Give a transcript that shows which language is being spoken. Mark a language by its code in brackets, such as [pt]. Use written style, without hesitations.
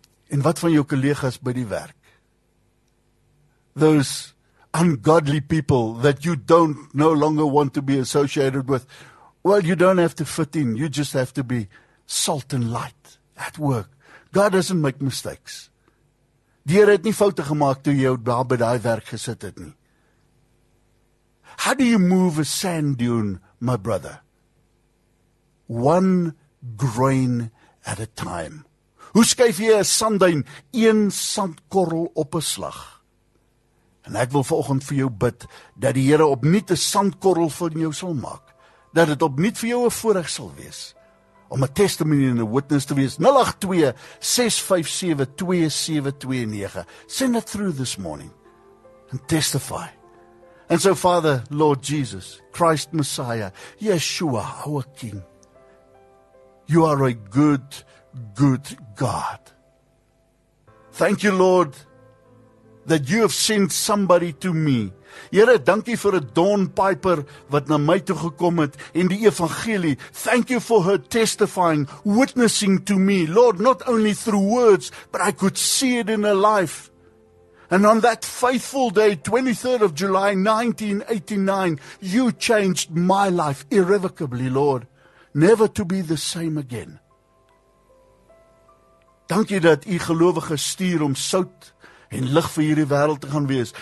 [af] En wat van jou kollegas by die werk? [en] Those ungodly people that you don't no longer want to be associated with. Well, you don't have to fit in. You just have to be salt and light at work. God doesn't make mistakes. [af] Die Here het nie foute gemaak toe jy daar by daai werk gesit het nie. [en] How do you move a sand dune, my brother? One grain at a time. [af] Hoe skuif jy 'n sandduin, een sandkorrel op 'n slag? En ek wil vanoggend vir jou bid dat die Here opnuut 'n sandkorrel van jou sal maak. Dat dit opnuut vir jou 'n voorreg sal wees om 'n testimony en 'n witness te wees. [en] 082-657-2729. Send it through this morning and testify. And so Father, Lord Jesus, Christ Messiah, Yeshua, our King, you are a good God. Thank you, Lord, that you have sent somebody to me. [af] Here, dankie vir 'n Dawn Piper wat na my toe gekom het en die evangelie. [en] Thank you for her testifying, witnessing to me, Lord, not only through words, but I could see it in her life. And on that faithful day, 23rd of July, 1989, you changed my life irrevocably, Lord, never to be the same again. [af] Dankie dat u gelowige stuur om sout en lig vir hierdie wêreld te gaan wees.